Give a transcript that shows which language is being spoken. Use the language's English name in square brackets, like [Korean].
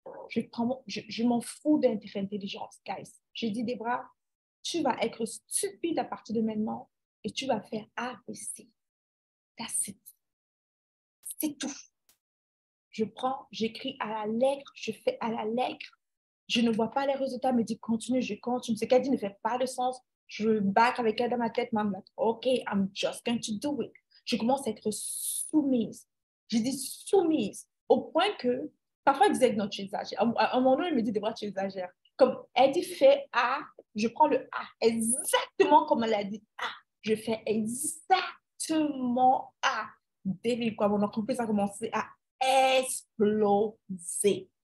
[French] Je m'en fous d'intelligence, guys. J'ai dit, Debra, tu vas être stupide à partir de maintenant et tu vas faire A, B, C. [English] That's it. [French] C'est tout. Je prends, j'écris à la lettre, je fais à la lettre. Je ne vois pas les résultats, mais dis, continue, je continue. Ce qu'elle dit ne fait pas de sens. Je bats avec elle dans ma tête, maman. [English] Like, OK, I'm just going to do it. [French] Je commence à être soumise. J'ai dit soumise au point que parfois elle disait non, tu exagères. À un moment donné, elle me dit, Debra, tu exagères. Comme elle dit, fais A, je prends le A exactement comme elle a dit A. Je fais exactement A. Dès quoi mon entreprise a commencé à exploser.